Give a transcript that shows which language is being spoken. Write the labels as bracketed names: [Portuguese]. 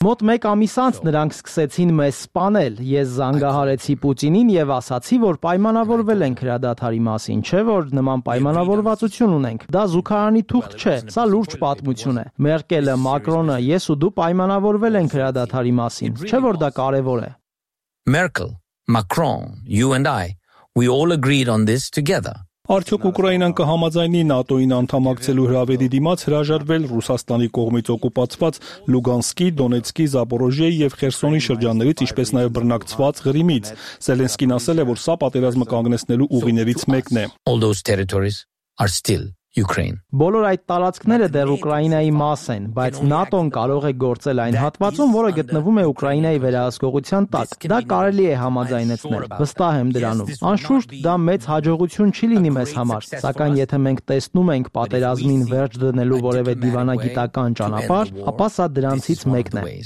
[Armenian] Մոտ 1 ամիս անց նրանք սկսեցին մեզ սպանել։ Ես զանգահարեցի Պուտինին եւ ասացի, որ պայմանավորվել ենք հրադադարի մասին, չէ՞ որ նման պայմանավորվածություն ունենք։ Դա զուգահեռանի թուղթ չէ, սա լուրջ պատմություն է։ Մերկելը, Մակրոնը, ես ու դու պայմանավորվել ենք հրադադարի մասին, չէ՞ որ դա կարևոր է։ [English] Merkel, Macron, you and I, we all agreed on this together. [Armenian] Արդյոք Ուկրաինան կհամաձայնի ՆԱՏՕ-ին անդամակցելու հրավերի դիմաց հրաժարվել Ռուսաստանի կողմից օկուպացված Լուգանսկի, Դոնեցկի, Զապորոժիայի եւ Խերսոնի շրջաններից, ինչպես նաեւ բռնակցված Ղրիմից։ Զելենսկին ասել է, որ սա պատերազմը կանգնեցնելու ուղիներից մեկն է։ [English] All those territories are still Ukraine. [Armenian] Բոլոր այդ տարածքները դեռ Ուկրաինայի մաս են, բայց ՆԱՏՕ-ն կարող է գործել այն հատվածում, որը գտնվում է Ուկրաինայի վերահսկողության տակ։ Դա կարելի է համաձայնեցնել, վստահ եմ դրանում։ Անշուշտ դա մեծ հաջողություն չի լինի մեզ համար, սակայն եթե մենք տեսնում ենք պատերազմին վերջ դնելու որևէ դիվանագիտական ճանապարհ, ապա սա դրանցից մեկն է։